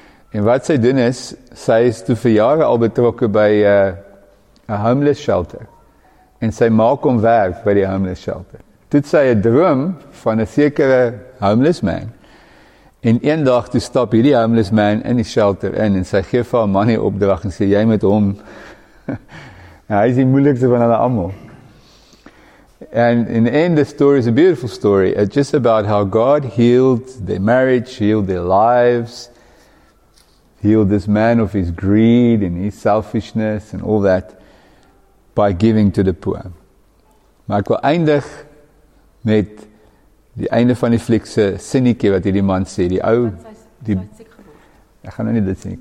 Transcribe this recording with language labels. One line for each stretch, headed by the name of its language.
Afrikaans: En wat sy doen is, sy is toe vir jare al betrokke by 'n homeless shelter. En sy maak om werk by die homeless shelter. Toet sy 'n droom van 'n sekere homeless man. En een dag toe stap hierdie homeless man in die shelter in en sy gee vir haar man die opdrag en sê jy met hom. Nou, hy is die moeilikste van hulle allemaal.
English: And in the end, the story is a beautiful story. It's just about how God healed their marriage, healed their lives, healed this man of his greed and his selfishness and all that by giving to the poor.
Afrikaans: Maar ek wil eindig met die einde van die fliek se sinnetjie wat hierdie man sê. Die ou, die... Ek gaan nou nie dit sê nie.